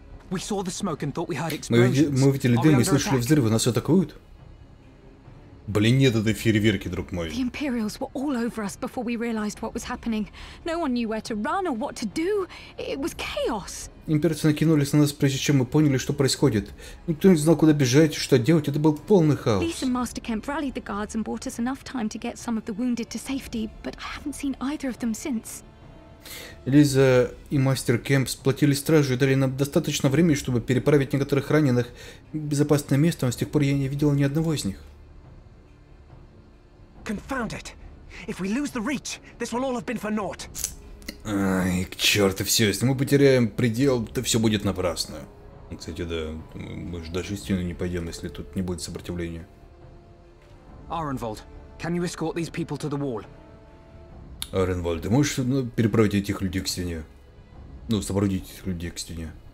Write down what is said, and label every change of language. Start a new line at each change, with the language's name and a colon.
English: We saw the smoke and thought we heard explosions.
Russian: Мы видели дым и слышали взрывы. Нас атакуют? Блин, нет этой фейерверки, друг мой.
English: The Imperials were all over us before we realized what was happening. No one knew where to run or what to do. It was chaos.
Russian: Имперцы накинулись на нас, прежде чем мы поняли, что происходит. Никто не знал, куда бежать, что делать. Это был полный хаос.
English: Lisa and Master Kemp rallied the guards and bought us enough time to get some of the wounded to safety, but I haven't seen either of them since.
Russian: Лиза и Мастер Кэмп сплотили стражу и дали нам достаточно времени, чтобы переправить некоторых раненых в безопасное место, но с тех пор я не видел ни одного из них.
English: Confound it! If we lose the reach, this will all have been for naught.
Russian: Ай, к черту все, если мы потеряем предел, то все будет напрасно. Кстати, да, мы же даже стены не пойдем, если тут не будет сопротивления.
English: Аренвальд, can you escort these people to the wall?
Russian: Аренвальд, ты можешь переправить этих людей к стене? Ну, сопроводить этих людей к стене.